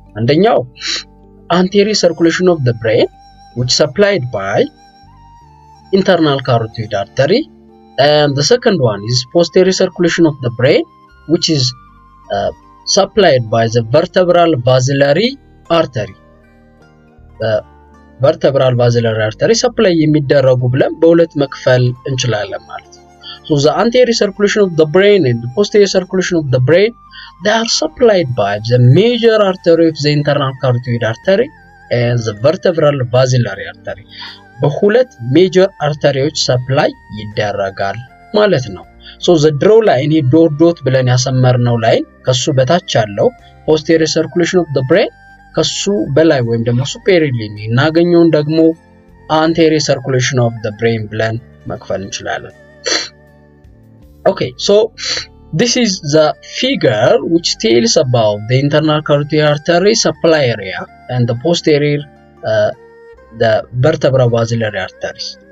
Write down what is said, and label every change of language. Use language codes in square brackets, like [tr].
[en] አንደኛው anterior circulation of the brain which supplied by internal carotid artery and the second one is posterior circulation of the brain which is supplied by the vertebral basilary artery. [am] Vertebral basilary artery supply የሚደረጉ ብለን በሁለት መክፈል እንችላለን ማለት ነው. [en] So the anterior circulation of the brain and the posterior circulation of the brain, they are supplied by the major artery of the internal carotid artery and the vertebral basilary artery. [am] በሁለት major arteries supply ይደረጋል ማለት ነው. [en] So the draw line, the dot dot [am] ብለን ያሰመርነው [en] line, [am] ከሱ በታች ያለው [en] posterior circulation of the brain, [am] ከሱ በላይ ወይም ደግሞ [en] superiorly [am] እናገኘውን ደግሞ [en] anterior circulation of the brain [am] ብለን መክፈል እንችላለን. [en] Okay, so this is the figure which tells about the internal carotid artery supply area and the posterior, the vertebral basilary arteries.